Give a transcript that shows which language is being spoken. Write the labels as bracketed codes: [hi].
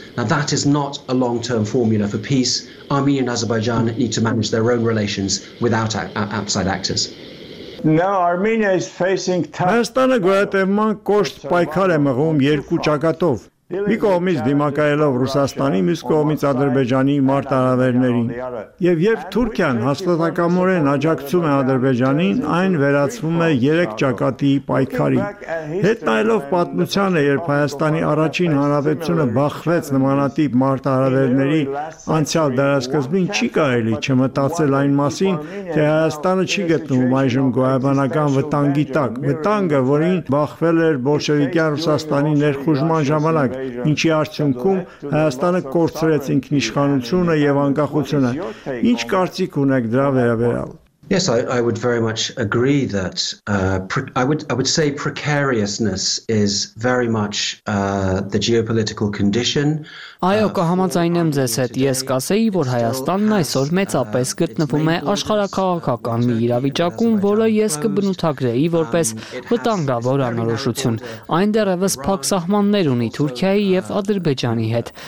[en] Now that is not a long-term formula for peace. Armenia and Azerbaijan need to manage their own relations without outside actors. Now Armenia is facing [hy] Հայաստանը գոյատևման կոշտ պայքար է մղում երկու ճակատով։ Մի կողմից դիմակայելով Ռուսաստանի, մյուս կողմից Ադրբեջանի մարտահրավերներին։ Եվ երբ Թուրքիան հաստատակամորեն աջակցում է Ադրբեջանին, այն վերածվում է երեք ճակատի պայքարի։ Հետ նայելով պատմությանը, երբ Հայաստանի առաջին հանրապետությունը բախվեց նմանատիպ մարտահրավերների անցյալ դարասկզբին, չի կարելի չմտածել այն մասին, թե Հայաստանը չի գտնվում այժմ գոյաբանական վտանգի տակ, վտանգը, որին բախվել էր բոլշևիկյան Ռուսաստանի ներխուժման ժամանակ, ինչի արդյունքում Հայաստանը կորցրեց ինքնիշխանությունը եւ անկախությունը։ Ինչ կարծիք ունեք դրա վերաբերյալ։ [en] Yes, I would very much agree that I would say precariousness is very much the geopolitical condition. [hy] Այո, կհամաձայնեմ ձեզ հետ, ես կասեի, որ Հայաստանն այսօր մեծապես գտնվում է աշխարհակաղակական մի իրավիճակում, որը ես կբնութագրեի որպես վտանգավոր անորոշություն։ Այն դեռևս փակ սահմաններ ունի Թուրքիայի եւ Ադրբեջանի հետ։